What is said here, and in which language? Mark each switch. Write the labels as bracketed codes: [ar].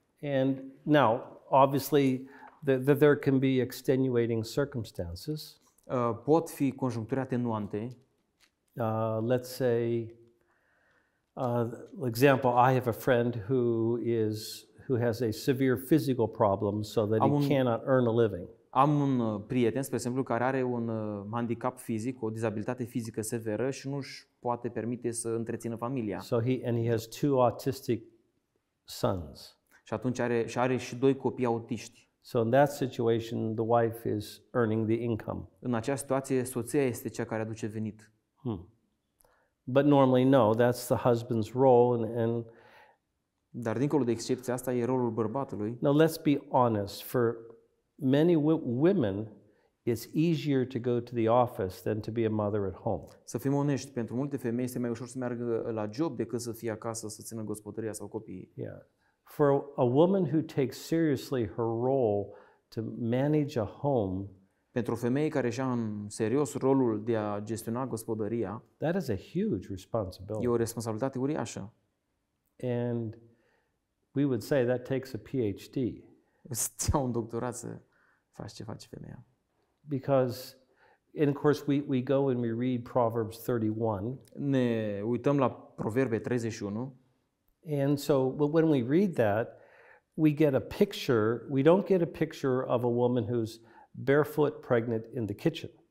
[en] And now, obviously, that there can be extenuating circumstances. [ro] Pot fi conjuncturi atenuante. [en] Let's say, example, I have a friend who has a severe physical problem so that he cannot earn a living. [ro] Am un prieten, spre exemplu, care are un handicap fizic, o dizabilitate fizică severă și nu își poate permite să întrețină familia. [en] So he has two autistic sons. [ro] Și atunci are și doi copii autiști. [en] So in that situation the wife is earning the income. [ro] În acea situație soția este cea care aduce venit. Hmm. [en] But normally no, that's the husband's role and [ro] dar dincolo de excepția asta e rolul bărbatului. [en] Now let's be honest, for many women, It's easier to go to the office than to be a mother at home. [ro] Să fim onești, pentru multe femei este mai ușor să meargă la job decât să fie acasă să țină gospodăria sau copiii. [en] Yeah. For a woman who takes seriously her role to manage a home, [ro] pentru o femeie care își ia în serios rolul de a gestiona gospodăria, [en] that is a huge responsibility. [ro] E o responsabilitate uriașă. [en] And we would say that takes a PhD. [ro] Îți ia un doctorat să faci ce face femeia. [en] Because, and of course, we go and we read Proverbs 31. [ro] Ne uităm la Proverbe 31. [en] And so, but when we read that, we get a picture. We don't get a picture of a woman who's barefoot, pregnant in the kitchen.